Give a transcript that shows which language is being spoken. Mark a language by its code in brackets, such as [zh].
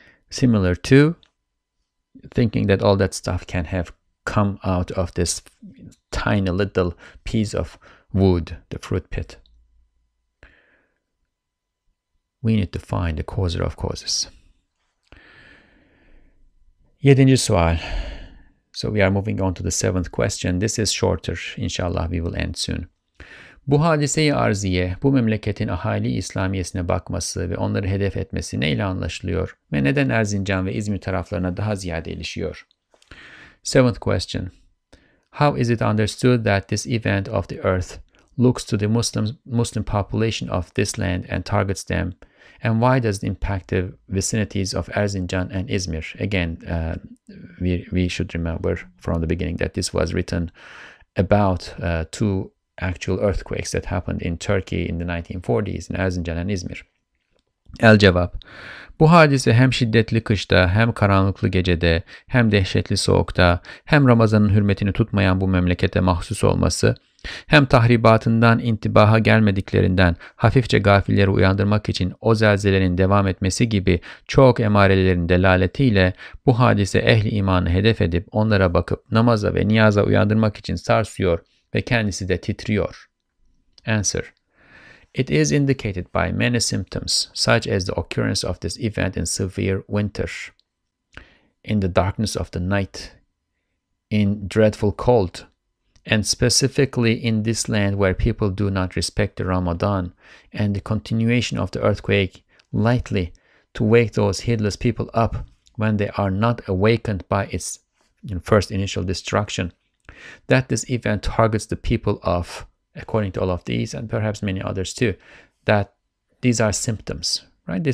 [en] Similar to thinking that all that stuff can have come out of this tiny little piece of wood, the fruit pit. We need to find the causer of causes. [tr] Yedinci sual. [en] So we are moving on to the seventh question. This is shorter. İnşallah we will end soon. [tr] Bu hadise-i arziye, bu memleketin ahali İslamiyesine bakması ve onları hedef etmesi neyle anlaşılıyor ve neden Erzincan ve İzmir taraflarına daha ziyade ilişiyor? [en] Seventh question. How is it understood that this event of the earth looks to the Muslim population of this land and targets them? And why does it impact the vicinities of Erzincan and Izmir? Again, we should remember from the beginning that this was written about two actual earthquakes that happened in Turkey in the 1940s in Erzincan and Izmir. [tr] El cevap. Bu hadise hem şiddetli kışta, hem karanlıklı gecede, hem dehşetli soğukta, hem Ramazan'ın hürmetini tutmayan bu memlekete mahsus olması, hem tahribatından intibaha gelmediklerinden hafifçe gafilleri uyandırmak için o zelzelenin devam etmesi gibi çok emarelerin delaletiyle bu hadise ehli imanı hedef edip onlara bakıp namaza ve niyaza uyandırmak için sarsıyor ve kendisi de titriyor. [en] Answer. It is indicated by many symptoms, such as the occurrence of this event in severe winter, in the darkness of the night, in dreadful cold, and specifically in this land where people do not respect the Ramadan, and the continuation of the earthquake lightly to wake those heedless people up when they are not awakened by its first initial destruction, that this event targets the people of, according to all of these, and perhaps many others too, that these are symptoms, right?